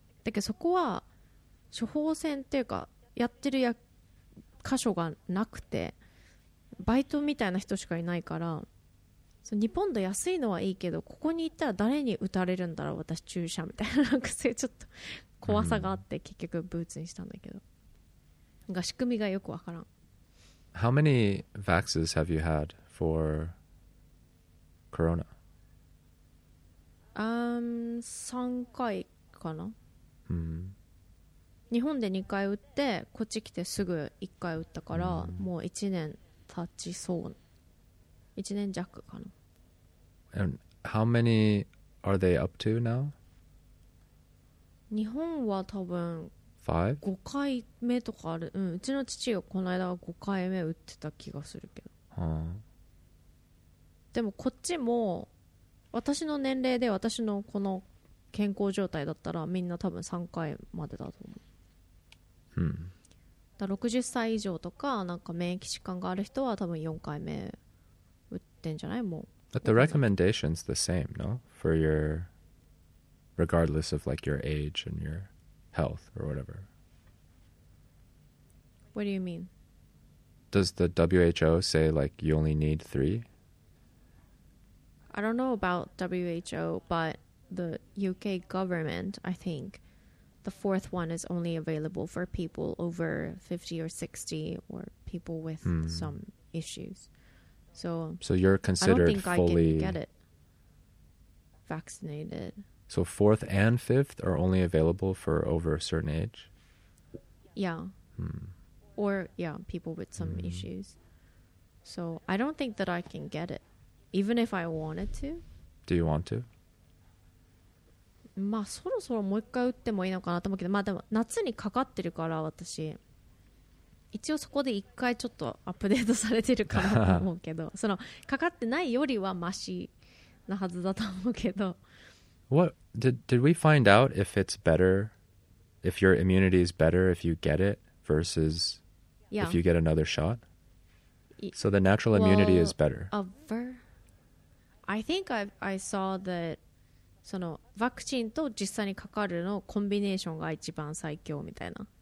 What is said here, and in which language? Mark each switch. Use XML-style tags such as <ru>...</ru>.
<ja>だけどそこは処方箋っていうかやってる箇所がなくて、バイトみたいな人しかいないから、その2ポンド安いのはいいけど、ここに行ったら誰に打たれるんだろう、私注射みたいな、なんかそういうちょっと怖さがあって結局ブーツにしたんだけど、なんか仕組みがよくわからん。</ja> <en>How many vaxes have you had for corona?</en> <ja>3回かな。 Mm-hmm. 日本で2回打って、こっち来てすぐ1回打ったから、mm-hmm. もう1年経ちそう。1年弱かな。</ja> <en>And how many are they up to now?</en> <ja>日本は多分</ja> <en>5?</en> <ja>5回目とかある、うん、うちの父がこの間5回目打ってた気がするけど、はあ、でもこっちも私の年齢で私のこの健康状態だったらみんな多分3回までだと思う、うん、だ60歳以上とかなんか免疫疾患がある人は多分4回目打ってんじゃない。もう</ja> <en>But the recommendation's the same, no? For your regardless of like your age and yourhealth or whatever. What do you mean? Does the WHO say like you only need 3? I don't know about WHO, but the UK government, I think the fourth one is only available for people over 50 or 60 or people with some issues. So you're considered fully vaccinated. So fourth and fifth are only available for over a certain age? Yeah. Hmm. Or, yeah, people with some issues. So I don't think that I can get it, even if I wanted to. Do you want to?</en> <ja>まあそろそろもう一回打ってもいいのかなと思うけど、まあでも夏にかかってるから私、一応そこで一回ちょっとアップデートされてるかなと思うけど、そのかかってないよりはマシなはずだと思うけど、</ja> <en>What did we find out if it's better, if your immunity is better if you get it versus if you get another shot? So the natural immunity is better. I think I saw that</en> <ja>そのワクチンと実際にかかるのコンビネーションが一番最強みたいな。</ja>